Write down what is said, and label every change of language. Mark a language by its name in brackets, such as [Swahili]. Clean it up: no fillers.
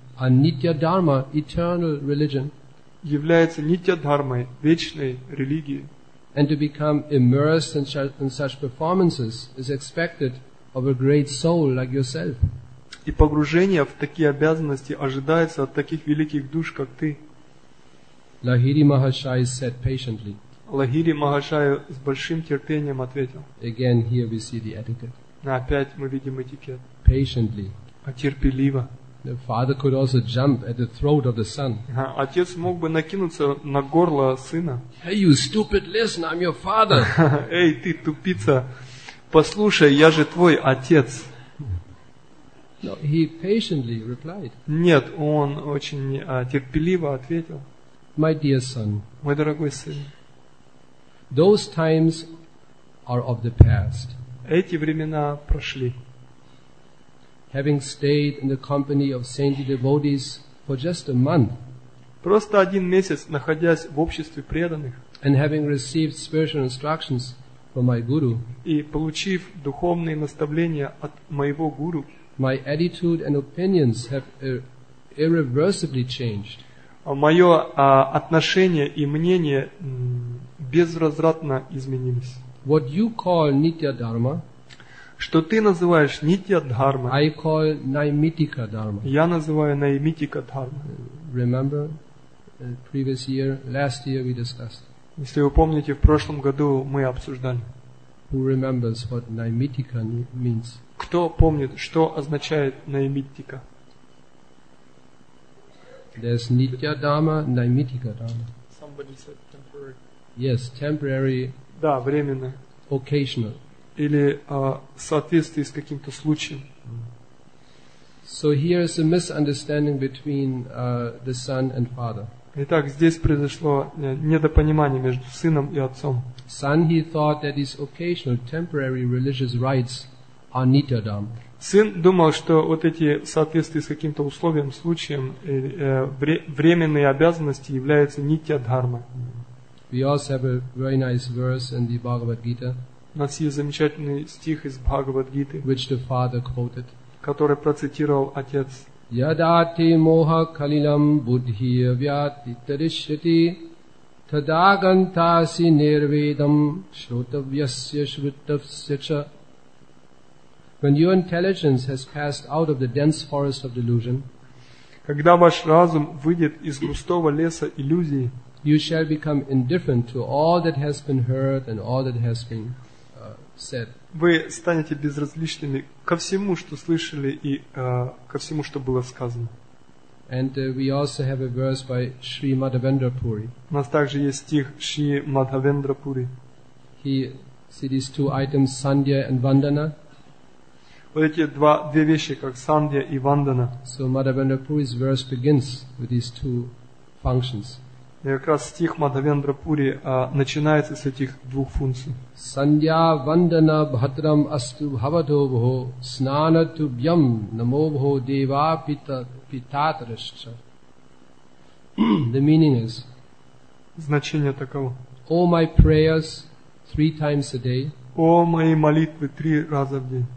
[English] a nitya dharma, eternal religion. [Russian] Является нитья дхармой, вечной религией. [English] And to become immersed in such performances is expected of a great soul like yourself. [Russian] И погружение в такие обязанности ожидается от таких великих душ, как ты. [English] Лахири Махашай said patiently. [Russian] Лахири Махашай с большим терпением ответил. [English] Again, here we see the etiquette. [Russian] Опять мы видим этикет. [English] Patiently. [Russian] Терпеливо. [English] The father could also jump at the throat of the son. [Russian] Отец мог бы накинуться на горло сына. [English] Hey, you stupid! Listen, I'm your father. [Russian] Эй, ты тупица! Послушай, я же твой отец. [English] No, he patiently replied. [Russian] Нет, он очень терпеливо ответил. [English] My dear son. [Russian] Мой дорогой сын. [English] Those times are of the past. [Russian] Эти времена прошли. [English] Having stayed in the company of saintly devotees for just a month, [Russian] просто один месяц находясь в обществе преданных, [English] and having received spiritual instructions from my guru, [Russian] и получив духовные наставления от моего гуру, [English] my attitude and opinions have irreversibly changed. [Russian] Мое отношение и мнение безвозвратно изменились. [English] What you call nitya dharma, [Russian] что ты называешь нитья дхарма, [English] I call наймитика дхарма. [Russian] Я называю наймитика дхарма. [English] Remember, previous year, last year we discussed. [Russian] Если вы помните, в прошлом году мы обсуждали. [English] Who remembers what наймитика means? [Russian] Кто помнит, что означает наймитика? [English] There's нитья дхарма, наймитика дхарма. Somebody said temporary. Yes, temporary. [Russian] Да, временно. [English] Occasional. [Russian] Или в соответствии с каким-то случаем. [English] So here is a misunderstanding between the son and father. [Russian] Итак, здесь произошло недопонимание между сыном и отцом. [English] Son, he thought that his occasional temporary religious rites are nitya dharma. [Russian] Сын думал, что вот эти в соответствии с каким-то условием, случаем, временные обязанности являются нитья дхарма. [English] We also have a very nice verse in the Bhagavad Gita. [Russian] У нас есть замечательный стих из Бхагавад-гиты, [English] which the father quoted, [Russian] который процитировал отец. [Sanskrit] Yadati moha kalilam buddhiya vyati tarishyati tadagantasi nirvedam shrotavyasya shruttavsya cha. [English] When your intelligence has passed out of the dense forest of delusion, [Russian] когда ваш разум выйдет из густого леса иллюзий, [English] you shall become indifferent to all that has been heard and all that has been said. [Russian] Вы станете безразличными ко всему, что слышали и ко всему, что было сказано. [English] And we also have a verse by Shri Madhavendra Puri. [Russian] У нас также есть стих Шри Мадхавендра Пури. [English] He see these two items, sandhya and vandana. [Russian] Вот эти две вещи, как сандья и вандана. [English] So Madhavendra Puri's verse begins with these two functions. [Russian] И как раз стих Мадхавендра Пури начинается с этих двух функций. [Sanskrit] Сандья вандана бхатрам асту бхавато бхо снанатубьям намо бхо дева питатрашча. [English] The meaning is, [Russian] значение таково. [English] О, my prayers three times a day. [Russian] О, мои молитвы три раза в день.